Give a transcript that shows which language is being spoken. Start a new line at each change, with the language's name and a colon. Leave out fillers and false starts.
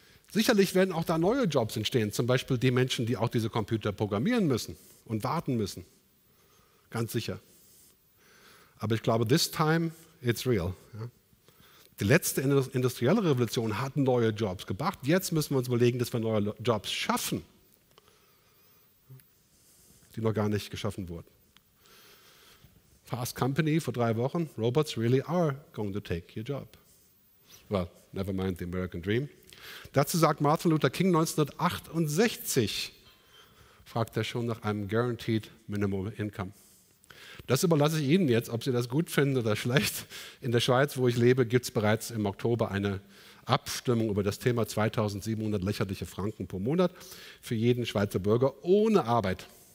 German: Sicherlich werden auch da neue Jobs entstehen, zum Beispiel die Menschen, die auch diese Computer programmieren müssen und warten müssen. Ganz sicher. Aber ich glaube,
English: this time it's real.
German: Ja. Die letzte industrielle Revolution hat neue Jobs gebracht. Jetzt müssen wir uns überlegen, dass wir neue Jobs schaffen, die noch gar nicht geschaffen wurden.
English: Fast Company
German: vor 3 Wochen,
English: robots really are going to take your job. Well, never mind the American Dream.
German: Dazu sagt Martin Luther King 1968, fragt er schon nach einem Guaranteed Minimum Income. Das überlasse ich Ihnen jetzt, ob Sie das gut finden oder schlecht. In der Schweiz, wo ich lebe, gibt es bereits im Oktober eine Abstimmung über das Thema 2700 lächerliche Franken pro Monat für jeden Schweizer Bürger ohne Arbeit.